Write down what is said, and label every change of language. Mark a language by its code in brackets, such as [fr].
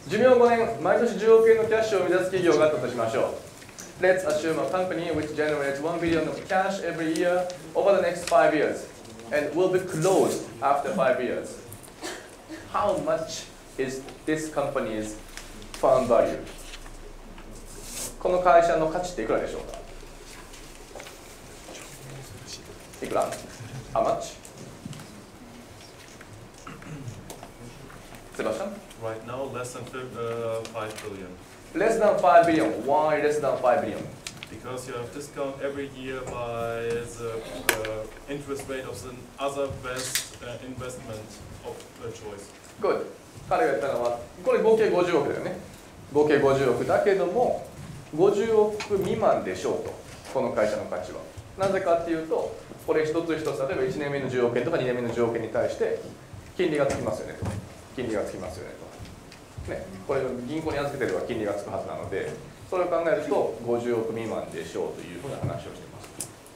[ja] 寿命5年、毎年10億円のキャッシュを生み出す企業があったとしましょう。 [en] Let's assume a company which generates $1 billion of cash every year over the next 5 years and will be closed after 5 years. How much is this company's firm value? [ja] この会社の価値っていくらでしょうか？いくら？ [en] How much? Sebastian? Right now, less than 5 billion. Less than 5 billion. Why less than 5 billion? Because you have discount every year by the interest rate of the other best investment of the choice. Good. [ja] 彼が言ったのは、これ合計50億だよね。合計50億だけども、50億未満でしょうと、この会社の価値は。なぜかっていうと、これ一つ一つ、例えば1年目の10億円とか2年目の10億円に対して、金利がつきますよねと。金利がつきますよねと。ね、これ銀行に預けてれば金利がつくはずなので、それを考えると50億未満でしょうというふうな話をしています。